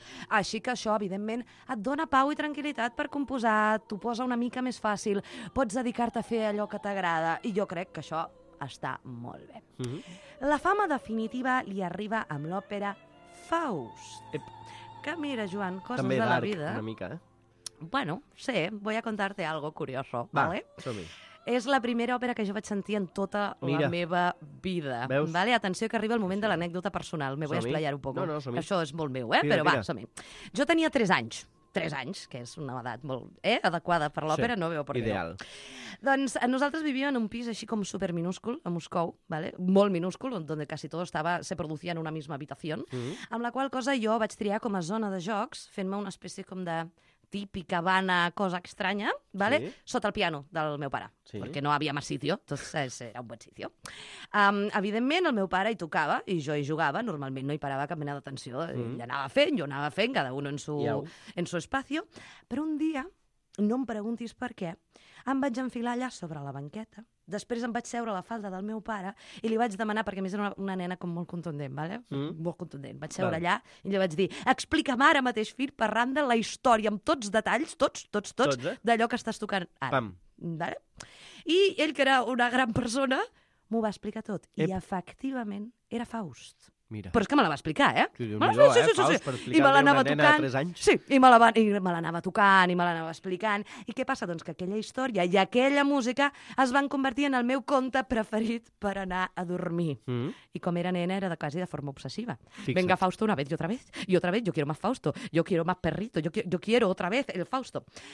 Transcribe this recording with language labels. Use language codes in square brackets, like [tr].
[ca] Així que això, evidentment, et dona pau i tranquil·litat per composar, t'ho posa una mica més fàcil, pots dedicar-te a fer allò que t'agrada, i jo crec que això està molt bé. Mm-hmm. La fama definitiva li arriba amb l'òpera Faust. Ep. Que mira, Joan, coses també de [en] dark, [ca] la vida. També una mica, eh? [es] Bueno, sí, voy a contarte algo curioso. [ca] Va, ¿vale? Som-hi. És la primera òpera que jo vaig sentir en tota Mira. La meva vida. Veus? Vale? Atenció, que arriba el moment de l'anècdota personal. [es] Me voy a explayar un poco. [ca] No, som-hi. Això és molt meu, eh? Va, som-hi. Jo tenia 3 anys. 3 anys, que és una edat molt adequada per l'òpera, sí. No veu per què. Ideal. Doncs nosaltres vivíem en un pis així com superminúscul, a Moscou, ¿vale? Molt minúscul, on quasi tot estava, [es] se producía en una misma habitación, [ca] amb la qual cosa jo vaig triar com a zona de jocs, fent-me una espècie com de... típica, vana, cosa estranya, ¿vale? Sí. Sota el piano del meu pare, sí. Perquè no havia més sitio, entonces era un bon sitio. Evidentment, el meu pare hi tocava, i jo hi jugava, normalment no hi parava cap mena d'atenció, jo anava fent, cada un [es] en su espacio, [ca] però un dia, no em preguntis per què, em vaig enfilar allà sobre la banqueta, després em vaig seure a la falda del meu pare i li vaig demanar, perquè a més era una nena com molt contundent, ¿vale? Molt contundent. Vaig seure allà i li vaig dir, explica'm ara mateix, fil per randa, la història, amb tots detalls, tots, d'allò que estàs tocant ara. Pam. ¿Vale? I ell, que era una gran persona, m'ho va explicar tot. Ep. I efectivament era Faust. Mira. Però és que me la va explicar, eh? Sí. I me l'anava tocant. Sí, i me l'anava tocant, i me l'anava explicant. I què passa? Doncs que aquella història i aquella música es van convertir en el meu conte preferit per anar a dormir. I com era nena, era quasi de forma obsessiva. Fixa't. [es] Venga, Fausto, una vez y otra vez. Y otra vez, yo quiero más Fausto. Yo quiero más perrito. Yo quiero otra vez el Fausto.